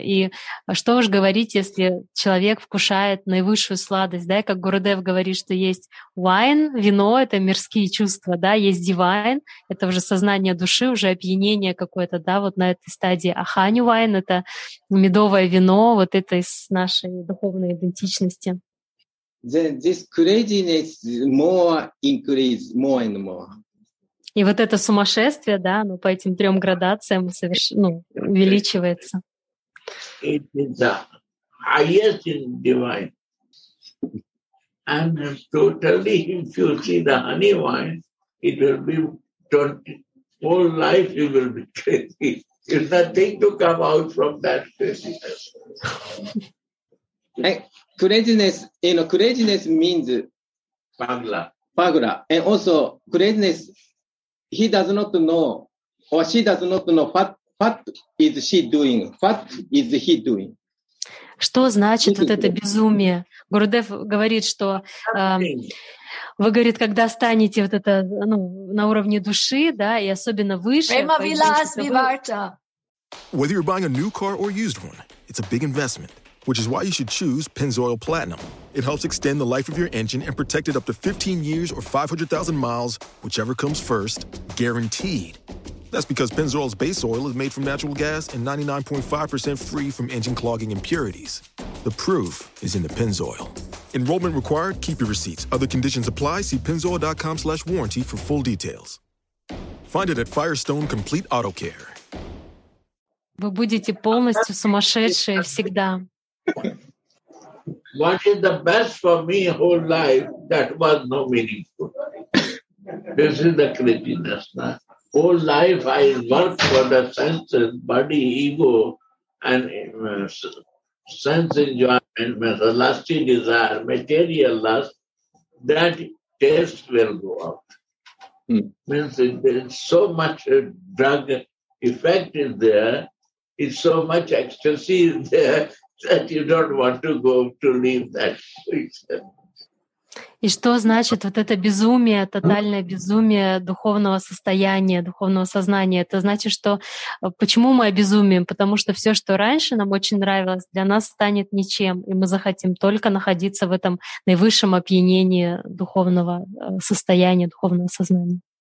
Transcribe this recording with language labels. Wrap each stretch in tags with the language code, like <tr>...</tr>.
<ru>И что уж говорить, если человек вкушает наивысшую сладость, да, и как Гурудев говорит, что есть wine, вино — это мирские чувства, да, есть divine — это уже сознание души, уже опьянение какое-то, да, вот на этой стадии. А</ru> <en>honey wine</en> <ru>— это медовое вино, вот это из нашей духовной идентичности.</ru> <en>Then this craziness more increase more and more.</en> <ru>И вот это сумасшествие, да, оно по этим трем градациям увеличивается.</ru> <en>It is the highest in divine. And totally, if you see the honey wine, it will be 20, whole life you will be crazy. It's nothing to come out from that craziness. Hey. Craziness, you know, craziness means</en> <bn>pagla. Pagla.</bn> <en>And also craziness, he does not know, or she does not know what is she doing, what is he doing.</en> <ru>Что значит вот это безумие? Гурудев говорит, что вы, говорит, когда станете вот это, ну, на уровне души, да, и особенно выше.</ru> <sa>Prema Vilas Vivarta.</sa> <en>Whether you're buying a new car or used one, it's a big investment. Which is why you should choose Pennzoil Platinum. It helps extend the life of your engine and protect it up to 15 years or 500,000 miles, whichever comes first, guaranteed. That's because Pennzoil's base oil is made from natural gas and 99.5% free from engine clogging impurities. The proof is in the Pennzoil. Enrollment required. Keep your receipts. Other conditions apply. See Pennzoil.com/warranty for full details. Find it at Firestone Complete Auto Care.</en> <ru>Вы будете полностью сумасшедшие всегда.</ru> <en>What is the best for me whole life that was no meaningful? This is the craziness. Huh? Whole life I work for the senses, body, ego, and sense enjoyment, the lusty desire, material lust, that taste will go out. Hmm. Means there's so much drug effect is there, it's so much ecstasy is there, that you don't want to go to leave that situation.</en> <ru>И что значит вот это безумие, тотальное безумие духовного состояния, духовного сознания? Это значит, что почему мы обезумеем? Потому что все, что раньше нам очень нравилось, для нас станет ничем, и мы захотим только находиться в этом наивысшем опьянении духовного состояния, духовного сознания.</ru>